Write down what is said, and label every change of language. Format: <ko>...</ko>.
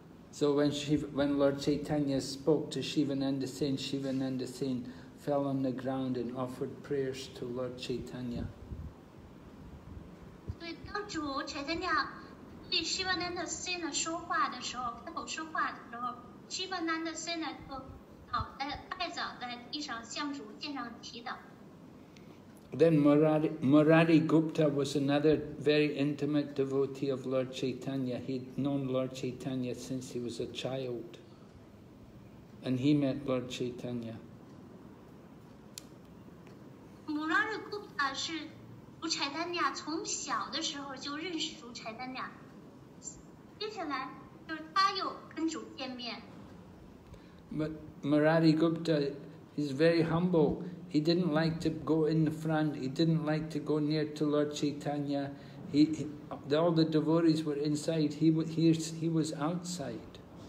<en>So when Lord Chaitanya spoke to Shivananda Sen, Shivananda Sen fell on the ground and offered prayers to Lord Chaitanya.</en> <zh>当主柴丹娘对希伯南德森呢说话的时候，开口说话的时候，希伯南德森呢就倒在拜倒在地上，向主献上祈祷。</zh> <en>Then Murari Gupta was another very intimate devotee of Lord Chaitanya. He'd known Lord Chaitanya since he was a child, and he met Lord Chaitanya.</en> <zh>Murari Gupta 是。主柴丹尼亚从小的时候就认识主柴丹尼亚，接下来就是他又跟主见面。</zh> <en>But Murari Gupta is very humble. He didn't like to go in the front. He didn't like to go near to Lord Chaitanya. He all the devotees were inside. He was outside.</en>